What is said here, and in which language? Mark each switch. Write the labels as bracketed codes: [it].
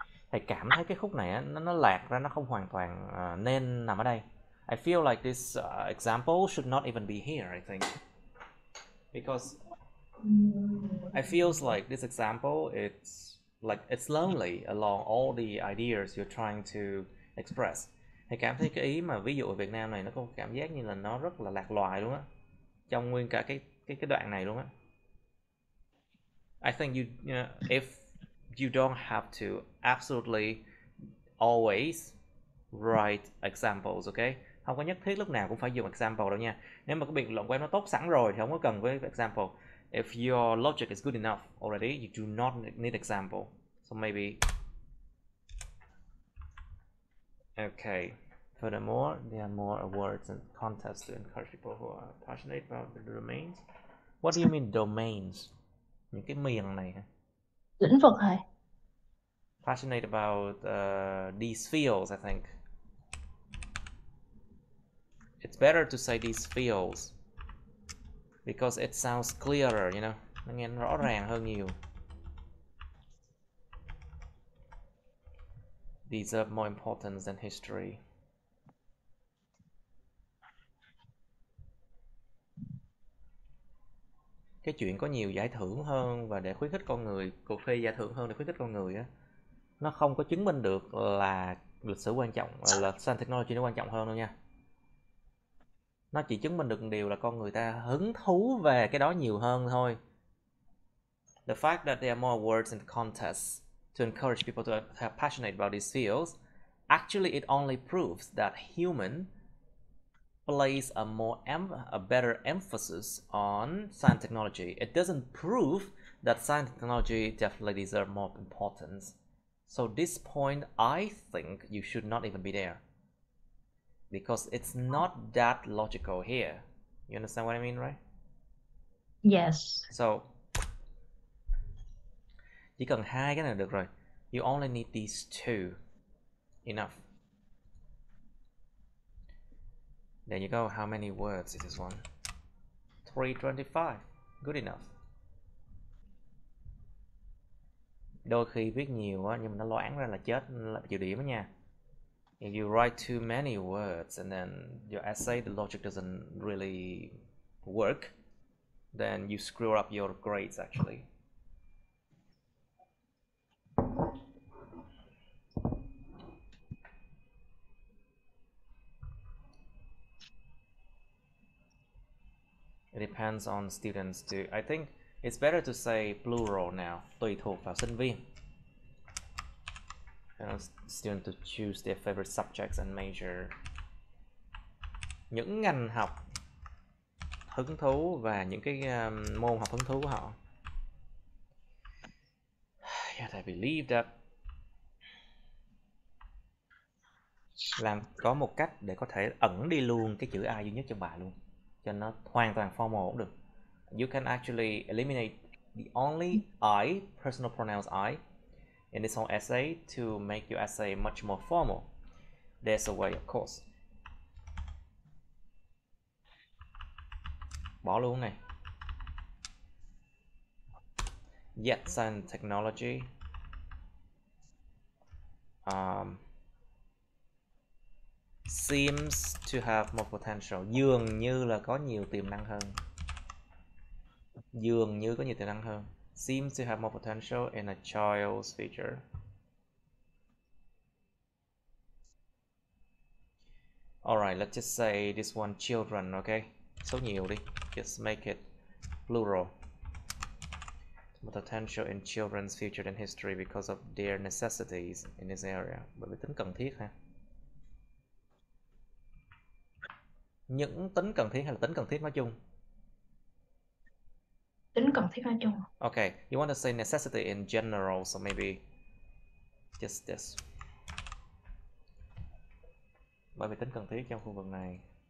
[vi] Thầy cảm thấy cái khúc này nó lạc ra, nó không hoàn toàn nên nằm ở đây. [en] I feel like this example should not even be here, I think. Because I feels like this example, it's like it's lonely along all the ideas you're trying to express. [vi] Thầy cảm thấy cái ý mà ví dụ ở Việt Nam này nó có cảm giác như là nó rất là lạc loài luôn á. Trong nguyên cả cái đoạn này luôn á. [en] I think you know, if you don't have to absolutely always write examples, okay? [vi] Không có nhất thiết lúc nào cũng phải dùng example đâu nha. Nếu mà cái biện luận của em nó tốt sẵn rồi thì không có cần với example. [en] If your logic is good enough already, you do not need example. So maybe... Okay. Furthermore, there are more awards and contests to encourage people who are passionate about the domains. What do you mean domains? [vi] Những cái miền này hả? Lĩnh vực hả? [en] Passionate about these fields, I think. It's better to say these fields because it sounds clearer, you know. [vi] Nó nghe rõ ràng hơn nhiều. [en] Deserve more importance than history. [vi] Cái chuyện có nhiều giải thưởng hơn và để khuyến khích con người, cuộc thi giải thưởng hơn để khuyến khích con người á, nó không có chứng minh được là lịch sử quan trọng, là science technology nó quan trọng hơn đâu nha. Nó chỉ chứng minh được điều là con người ta hứng thú về cái đó nhiều hơn thôi. [en] The fact that there are more awards and contests to encourage people to have passionate about these fields, actually it only proves that human place a more a better emphasis on science technology. It doesn't prove that science technology definitely deserve more importance. So this point, I think you should not even be there. Because it's not that logical here. You understand what I mean, right? Yes. [vi] So, chỉ cần hai cái này được rồi. [en] You only need these two. Enough. There you go. How many words is this one? 325. Good enough. [vi] Đôi khi viết nhiều á, nhưng mà nó loãng ra là chết, là chịu điểm á nha. [en] If you write too many words and then your essay, the logic doesn't really work, then you screw up your grades actually. It depends on students too. I think it's better to say plural now, [vi] tùy thuộc vào sinh viên. [en] Student to choose their favorite subjects and major. [vi] Những ngành học hứng thú và những cái môn học hứng thú của họ. [en] Yeah, I believe that. [vi] Làm có một cách để có thể ẩn đi luôn cái chữ I duy nhất trong bài luôn, cho nó hoàn toàn formal cũng được. [en] You can actually eliminate the only I, personal pronouns I, in this whole essay to make your essay much more formal. There's a way, of course. [vi] Bỏ luôn này. [en] Yet science technology seems to have more potential. [vi] Dường như là có nhiều tiềm năng hơn. Dường như có nhiều tiềm năng hơn. [en] Seems to have more potential in a child's future. Alright, let's just say this one children, okay? [vi] So nhiều đi. [en] Just make it plural. More potential in children's future than history because of their necessities in this area. [vi] Bởi vì tính cần thiết ha. Những tính cần thiết hay là tính cần thiết nói chung? Tính cần thiết nói chung. [en] Okay, you want to say necessity in general, so maybe just this. [vi] Bởi vì tính cần thiết trong khu vực này.